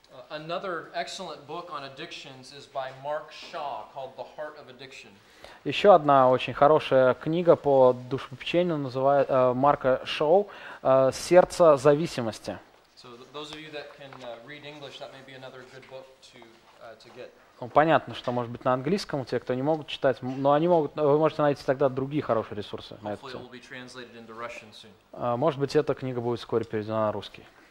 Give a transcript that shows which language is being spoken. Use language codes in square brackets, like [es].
[en] Another excellent book on addictions is by Mark Shaw called The Heart of Addiction. [ru] Еще одна очень хорошая книга по душепопечению называет Марка Шоу «Сердце зависимости». [en] So those of you that can read English, that may be another good book to get. [ru] Ну, понятно, что может быть на английском, те, кто не могут читать, но они могут, вы можете найти тогда другие хорошие ресурсы. Может быть, эта книга будет вскоре переведена на русский.